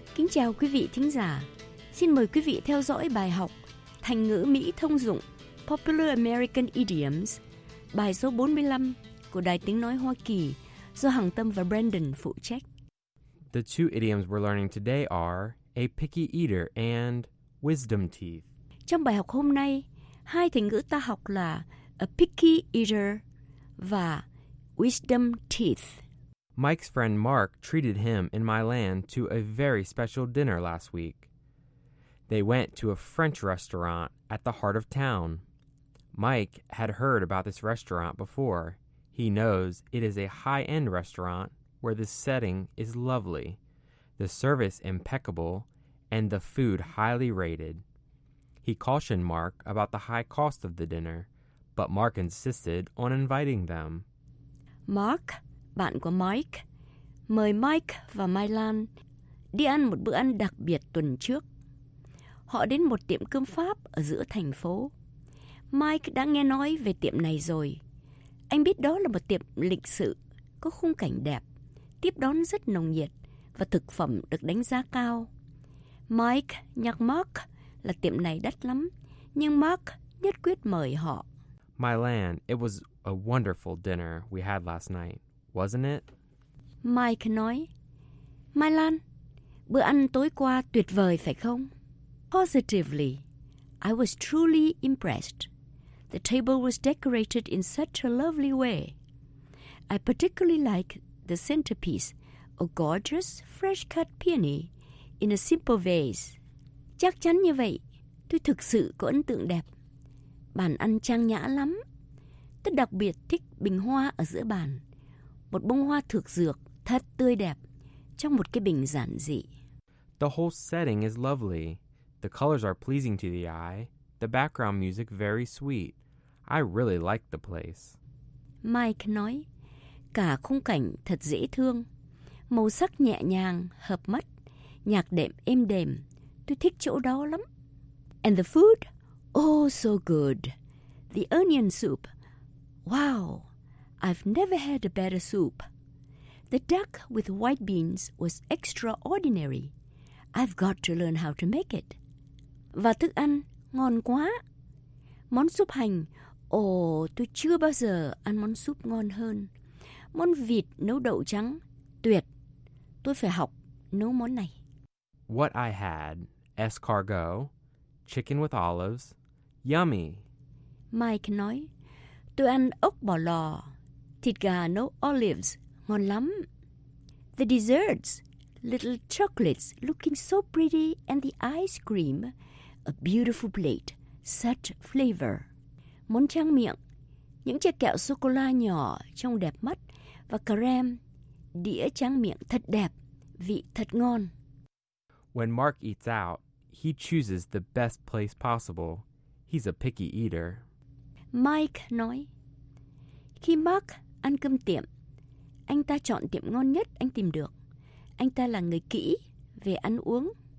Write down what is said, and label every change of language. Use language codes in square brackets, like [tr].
[vi] Chào quý vị thính giả. Xin mời quý vị theo dõi bài học Thành ngữ Mỹ thông dụng Popular American Idioms, bài số 45 của Đài Tiếng Nói Hoa Kỳ do Hằng Tâm và Brandon phụ trách. [en] The two idioms we're learning today are a picky eater and wisdom teeth. [vi] Trong bài học hôm nay, hai thành ngữ ta học là a picky eater và wisdom teeth. [en] Mike's friend Mark treated him in my land to a very special dinner last week. They went to a French restaurant at the heart of town. Mike had heard about this restaurant before. He knows it is a high-end restaurant where the setting is lovely, the service impeccable, and the food highly rated. He cautioned Mark about the high cost of the dinner, but Mark insisted on inviting them. [vi] Mark, bạn của Mike, mời Mike và Mai Lan đi ăn một bữa ăn đặc biệt tuần trước. Họ đến một tiệm cơm Pháp ở giữa thành phố. Mike đã nghe nói về tiệm này rồi. Anh biết đó là một tiệm lịch sự, có khung cảnh đẹp, tiếp đón rất nồng nhiệt và thực phẩm được đánh giá cao. Mike nhắc Mark là tiệm này đắt lắm, nhưng Mark nhất quyết mời họ. [en] My land, it was a wonderful dinner we had last night, wasn't it? [vi] Mike nói, My Lan, bữa ăn tối qua tuyệt vời phải không? [en] Positively, I was truly impressed. The table was decorated in such a lovely way. I particularly like the centerpiece, a gorgeous fresh-cut peony in a simple vase. [vi] Chắc chắn như vậy, tôi thực sự có ấn tượng đẹp. Bàn ăn trang nhã lắm. Tôi đặc biệt thích bình hoa ở giữa bàn. Một bông hoa thược dược thật tươi đẹp trong một cái bình giản dị. [en] The whole setting is lovely. The colors are pleasing to the eye. The background music very sweet. I really like the place. [vi] Mike nói, cả khung cảnh thật dễ thương. Màu sắc nhẹ nhàng, hợp mắt. Nhạc đệm êm đềm. Tôi thích chỗ đó lắm. [en] And the food? Oh, so good. The onion soup. Wow, I've never had a better soup. The duck with white beans was extraordinary. I've got to learn how to make it. [vi] Và thức ăn, ngon quá. Món súp hành, tôi chưa bao giờ ăn món súp ngon hơn. Món vịt nấu đậu trắng, tuyệt. Tôi phải học nấu món này. [en] What I had, escargot, chicken with olives, yummy. [vi] Mike nói, tôi ăn ốc bò lò, thịt gà nấu olives, ngon lắm. [en] The desserts, little chocolates looking so pretty and the ice cream, a beautiful plate, such flavor. [vi] Món tráng miệng, những chiếc kẹo sô-cô-la nhỏ trông đẹp mắt và kem, đĩa tráng miệng thật đẹp, vị thật ngon. [en] When Mark eats out, he chooses the best place possible. He's a picky eater. [vi] Mike nói, khi Mark ăn cơm tiệm, anh ta chọn tiệm ngon nhất anh tìm được. Anh ta là người kỹ về ăn uống.